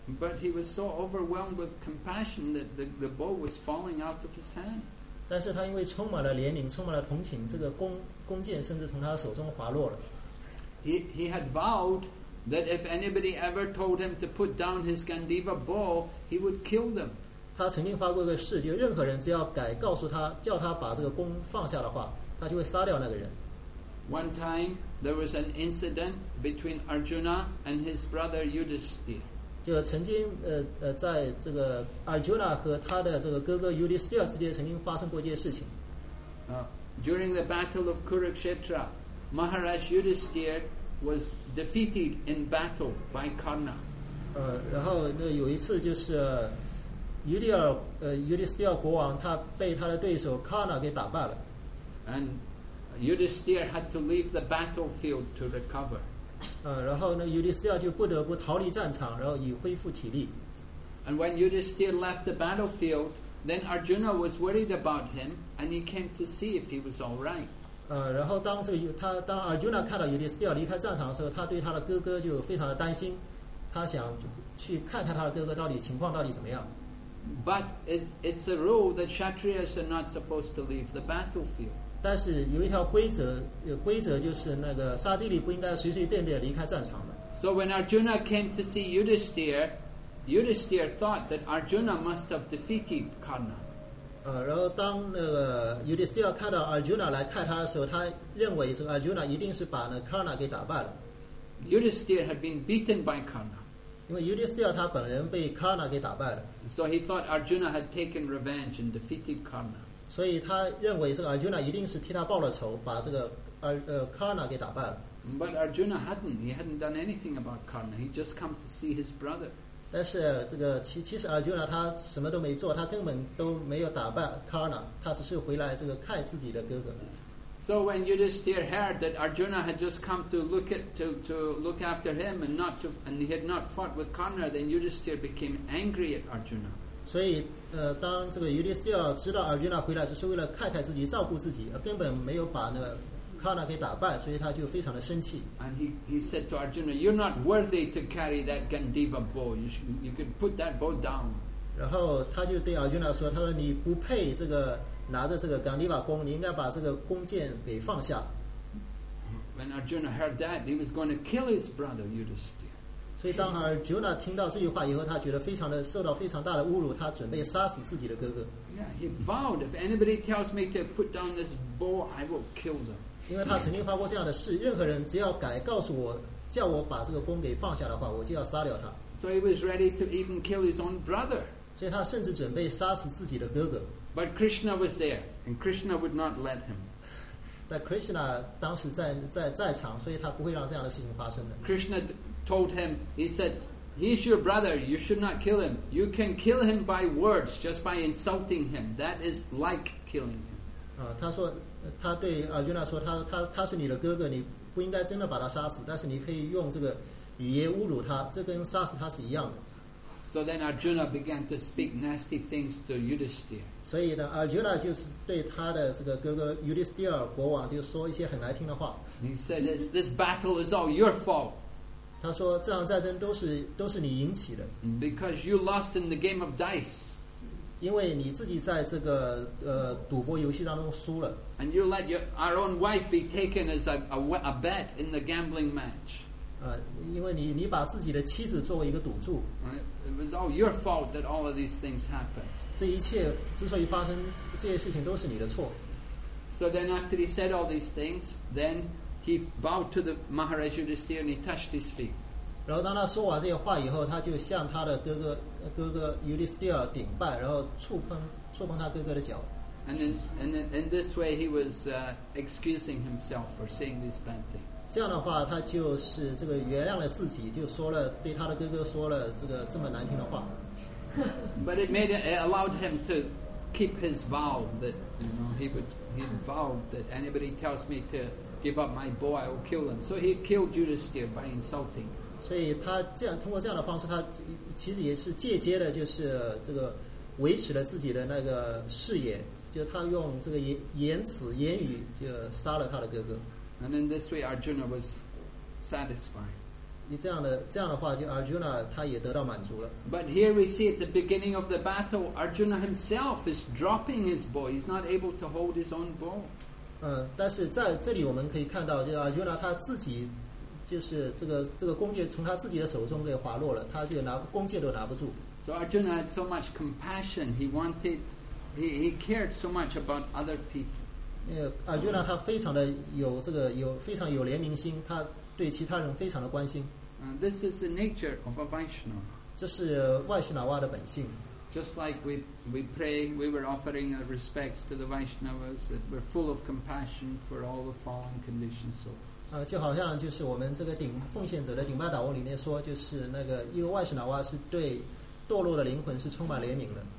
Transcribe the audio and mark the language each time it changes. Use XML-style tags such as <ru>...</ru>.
<en>But he was so overwhelmed with compassion that the bow was falling out of his hand.</en> <zh>但是他因为充满了怜悯，充满了同情，这个弓箭甚至从他手中滑落了。</zh> <en>He had vowed that if anybody ever told him to put down his Gandiva bow, he would kill them.</en> <zh>他曾经发过一个誓，就任何人只要敢告诉他，叫他把这个弓放下的话，他就会杀掉那个人。</zh> <en>One time there was an incident between Arjuna and his brother Yudhisthira.</en> <zh>就曾经在这个 Arjuna 和他的这个哥哥 Yudhisthira 之间曾经发生过一件事情。</zh> <en>During the battle of Kurukshetra, Maharaj Yudhisthira was defeated in battle by Karna.</en> <zh>然后那有一次就是。Yudhisthira 国王他被他的对手 Karna 给打败了。</zh> <en>And Yudhisthira had to leave the battlefield to recover.</en> <zh>然后呢 Yudhisthira 就不得不逃离战场，然后以恢复体力。</zh> <en>And when Yudhisthira left the battlefield, then Arjuna was worried about him, and he came to see if he was all right.</en> <zh>然后当 Arjuna 看到 Yudhisthira 离开战场的时候，他对他的哥哥就非常的担心，他想去看看他的哥哥到底情况到底怎么样。</zh> <en>But it's a rule that Kshatriyas are not supposed to leave the battlefield.</en> <zh>但是有一条规则就是那个沙地里不应该随随便便离开战场的。</zh> <en>So when Arjuna came to see Yudhisthira thought that Arjuna must have defeated Karna.</en> <zh>然后当那个 Yudhisthira 看到 Arjuna 来看他的时候，他认为这个 Arjuna 一定是把那 Karna 给打败了。</zh> <en>Yudhisthira had been beaten by Karna.</en> <zh>因为 Yudhisthira 他本人被 Karna 给打败了。</zh> <en>So he thought Arjuna had taken revenge and defeated Karna.</en> <zh>所以他认为这个 Arjuna 一定是替他报了仇，把这个Karna 给打败了。</zh> <en>But Arjuna hadn't. He hadn't done anything about Karna. He just come to see his brother.</en> <zh>但是这个其实 Arjuna 他什么都没做，他根本都没有打败 Karna. 他只是回来这个看自己的哥哥。</zh> <en>So when Yudhisthira heard that Arjuna had just come to look after him and he had not fought with Karna, then Yudhisthira became angry at Arjuna.</en> <zh>所以，当这个 Yudhisthira 知道 Arjuna 回来只是为了看看自己、照顾自己，根本没有把那个 Karna 给打败，所以他就非常的生气。</zh> <en>And he said to Arjuna, "You're not worthy to carry that Gandiva bow. You could put that bow down."</en> <zh>然后他就对 Arjuna 说："他说你不配这个。" 拿着这个冈底瓦弓，你应该把这个弓箭给放下。</zh> <en>When Arjuna heard that, he was going to kill his brother Yudhisthira.</en> <zh>所以当 Arjuna 听到这句话以后，他觉得非常的受到非常大的侮辱，他准备杀死自己的哥哥。</zh> <en>Yeah, he vowed, if anybody tells me to put down this bow, I will kill them.</en> <zh>因为他曾经发过这样的誓，任何人只要敢告诉我，叫我把这个弓给放下的话，我就要杀掉他。</zh> <en>So he was ready to even kill his own brother.</en> <zh>所以他甚至准备杀死自己的哥哥。</zh> <en>But Krishna was there, and Krishna would not let him. That</en> <zh>Krishna 当时在场，所以他不会让这样的事情发生的。</zh> <en>Krishna told him, he said, "He's your brother. You should not kill him. You can kill him by words, just by insulting him. That is like killing him."</en> <zh>他说，他对 Arjuna 说，他是你的哥哥，你不应该真的把他杀死，但是你可以用这个语言侮辱他，这跟杀死他是一样的。</zh> <en>So then Arjuna began to speak nasty things to Yudhisthira.</en> <zh>所以呢 ，Arjuna 就是对他的这个哥哥 Yudhisthira 国王就说一些很难听的话。</zh> <en>He said, "This battle is all your fault."</en> <zh>他说这场战争都是你引起的。</zh> <en>Because you lost in the game of dice.</en> <zh>因为你自己在这个赌博游戏当中输了。</zh> <en>And you let our own wife be taken as a bet in the gambling match.</en> <zh>因为你把自己的妻子作为一个赌注。</zh> <en>It was all your fault that all of these things happened.</en> <zh>这一切之所以发生，这些事情都是你的错。</zh> <en>So then after he said all these things, then he bowed to the Maharaj Yudhisthira and he touched his feet.</en> <zh>然后当他说完这些话以后，他就向他的哥哥 Yudhisthira 顶拜，然后触碰他哥哥的脚。</zh> <en>And in this way he was excusing himself for saying these bad things.</en> <zh>这样的话他就是这个原谅了自己，就说了对他的哥哥说了这个这么难听的话。</zh> <en>But it allowed him to keep his vow that, you know, he vowed that anybody tells me to give up my boy, I will kill him. So he killed Yudhisthira by insulting.</en> <zh>所以他这样通过这样的方式，他其实也是间接的就是这个维持了自己的那个誓言，就他用这个言语就杀了他的哥哥。</zh> <en>And in this way, Arjuna was satisfied.</en> <zh>这样的话，就 Arjuna 他也得到满足了。</zh> <en>But here we see at the beginning of the battle, Arjuna himself is dropping his bow. He's not able to hold his own bow.</en> <zh>但是在这里我们可以看到，就 Arjuna 他自己，就是这个弓箭从他自己的手中给滑落了，他就弓箭都拿不住。</zh> <en>So Arjuna had so much compassion. He cared so much about other people.</en> <zh>Arjuna 他非常的有这个有非常有怜悯心，他对其他人非常的关心。</zh> <en>This is the nature of a Vaishnava.</en> <zh>这是外师那瓦的本性。</zh> <en>Just like we pray, we were offering our respects to the Vaishnavas, that we're full of compassion for all the fallen conditioned souls.</en> <zh>就好像就是我们这个奉献者的顶拜祷文里面说，就是那个一个外师那瓦是对堕落的灵魂是充满怜悯的。</zh>